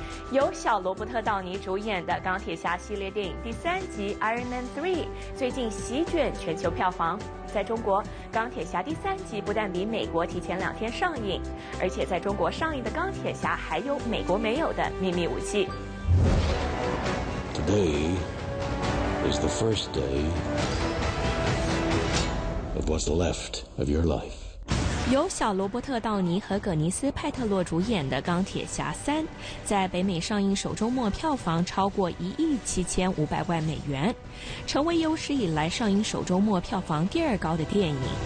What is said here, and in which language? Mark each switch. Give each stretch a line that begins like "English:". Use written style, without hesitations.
Chinese: 由小罗伯特·道尼主演的《钢铁侠》系列电影第三集《Iron Man 3》最近席卷全球票房。在中国，《钢铁侠》第三集不但比美国提前两天上映，而且在中国上映的《钢铁侠》还有美国没有的秘密武器。
English: Today is the first day of what's left of your life.
Chinese: 由小罗伯特·道尼和葛尼斯·派特洛主演的《钢铁侠三》在北美上映首周末票房超过1亿7500万美元，成为有史以来上映首周末票房第二高的电影。